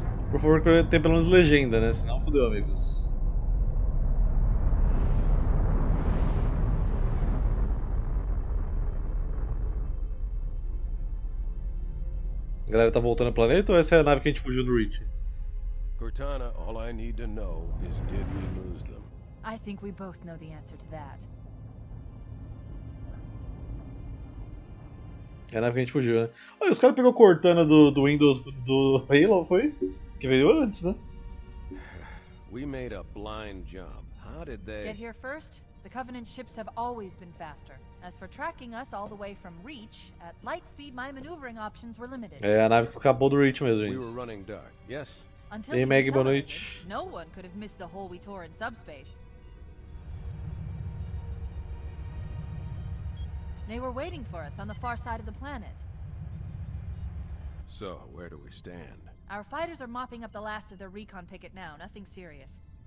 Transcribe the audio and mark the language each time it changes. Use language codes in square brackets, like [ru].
[pt] Por favor, que tenha pelo menos legenda, né? Senão fodeu, amigos. A galera tá voltando ao planeta ou essa é a nave que a gente fugiu do Reach? [en] Cortana, all I need to know is did we lose them? I think we both know the answer to that. [pt] É a nave que a gente fugiu, né? Olha, os caras pegou Cortana do Windows do Halo, foi? Que veio antes, né? [en] We made a blind jump. How did they get here first? The Covenant ships have always been faster. As for tracking us all the way from Reach, at light speed my maneuvering options were limited. [pt] É, a nave acabou do Reach mesmo, gente. [en] We were running dark. Yes. Until hey, Maggie, [pt] boa noite. [en] No one could have missed the hole we tore in subspace. They were waiting for us on the far side of the planet. So, where do we stand? Our fighters are mopping up the last of their recon picket now. Nothing serious.